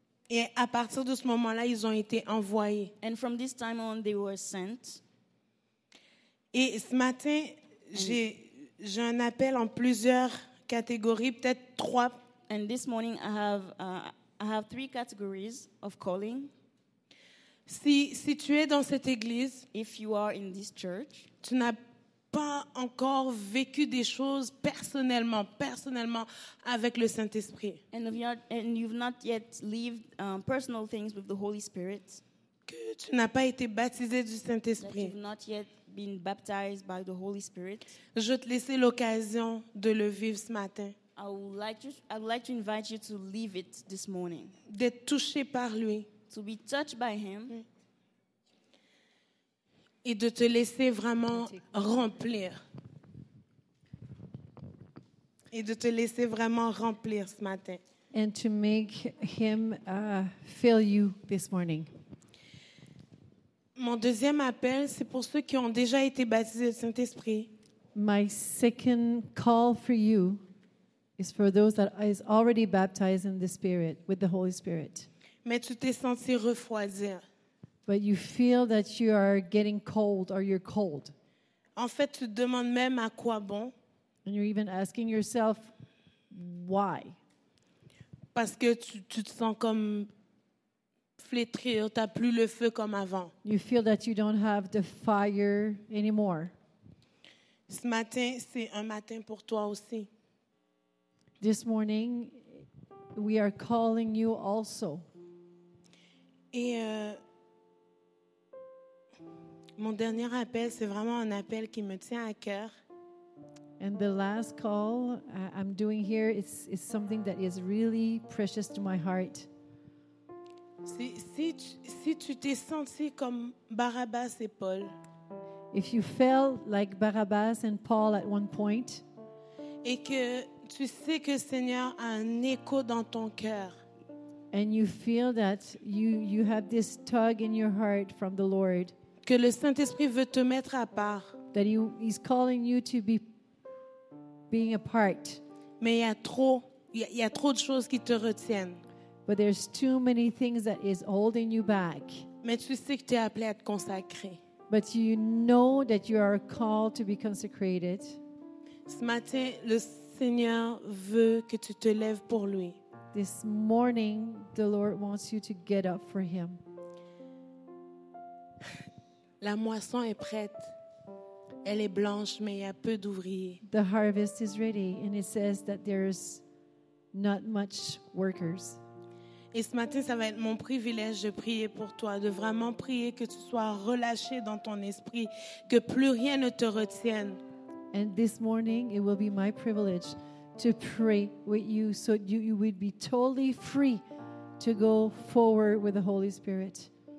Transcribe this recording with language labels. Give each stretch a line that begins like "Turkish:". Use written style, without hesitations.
French: Et à partir de ce moment-là, ils ont été envoyés.
English: And from this time on, they were sent.
French: Et ce matin, j'ai un appel en plusieurs catégories, peut-être trois.
English: And this morning, I have three categories of calling.
French: Si tu es dans cette église,
English: if you are in this church,
French: tu n'as pas encore vécu des choses personnellement avec le Saint-Esprit.
English: And you've not yet lived personal things with the Holy Spirit.
French: Que tu n'as pas été baptisé du Saint-Esprit.
English: That you've not yet been baptized by the Holy Spirit.
French: Je vais te laisser l'occasion de le vivre ce matin.
English: I would like to invite you to live it this morning.
French: D'être touché par lui.
English: To be touched by him.
French: Et de te laisser vraiment remplir. Et de te laisser vraiment remplir ce matin.
English: And to make him fill you this morning.
French: Mon deuxième appel, c'est pour ceux qui ont déjà été baptisés du Saint-Esprit.
English: My second call for you is for those that is already baptized in the Spirit, with the Holy Spirit.
French: Mais tu t'es senti refroidir.
English: But you feel that you are getting cold or you're cold.
French: En fait, tu demandes même à quoi bon.
English: And you're even asking yourself, why?
French: Parce que tu te sens comme flétrir, t'as plus le feu comme avant.
English: You feel that you don't have the fire anymore.
French: Ce matin, c'est un matin pour toi aussi.
English: This morning, we are calling you also.
French: Et mon dernier appel, c'est vraiment un appel qui me tient à cœur.
English: And the last call I'm doing here is something that is really precious to my heart.
French: Si tu t'es senti comme Barabbas et Paul,
English: if you felt like Barabbas and Paul at one point,
French: et que tu sais que Seigneur a un écho dans ton cœur,
English: and you feel that you have this tug in your heart from the Lord,
French: que le Saint-Esprit veut te mettre à part,
English: that he's calling you to be being apart,
French: mais il y a trop de choses qui te retiennent.
English: But there's too many things that is holding you back.
French: Mais tu sais que tu es appelé à te consacrer.
English: But you know that you are called to be consecrated.
French: Ce matin, le Seigneur veut que tu te lèves pour lui.
English: This morning, the Lord wants you to get up for him.
French: La moisson est prête. Elle est blanche, mais il y a peu d'ouvriers.
English: The harvest is ready, and it says that there's not much workers.
French: Et ce matin, ça va être mon privilège de prier pour toi, de vraiment prier que tu sois relâché dans ton esprit, que plus rien ne te retienne.
English: And this morning, it will be my privilege to pray with you so you would be totally free to go forward with the Holy Spirit.